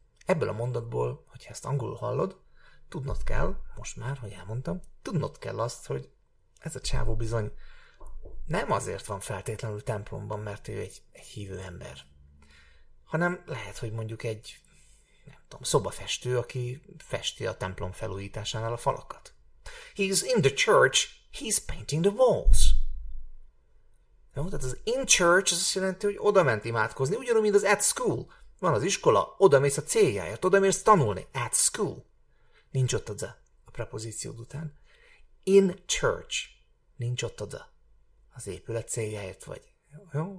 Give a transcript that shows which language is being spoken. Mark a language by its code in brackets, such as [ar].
[hu] Ebből a mondatból, hogyha ezt angolul hallod, tudnod kell, most már, hogy elmondtam, tudnod kell azt, hogy ez a csávó bizony nem azért van feltétlenül templomban, mert ő egy hívő ember. Hanem lehet, hogy mondjuk egy, nem tudom, szobafestő, aki festi a templom felújításánál a falakat. [en] He's in the church, he's painting the walls. [hu] Jó, tehát az in church az azt jelenti, hogy oda ment imádkozni, ugyanúgy, mint az at school. Van az iskola, oda mész a céljáért, oda mész tanulni, at school. Nincs ott a prepozíciód után. In church, nincs ott a az épület céljáért vagy. Jó?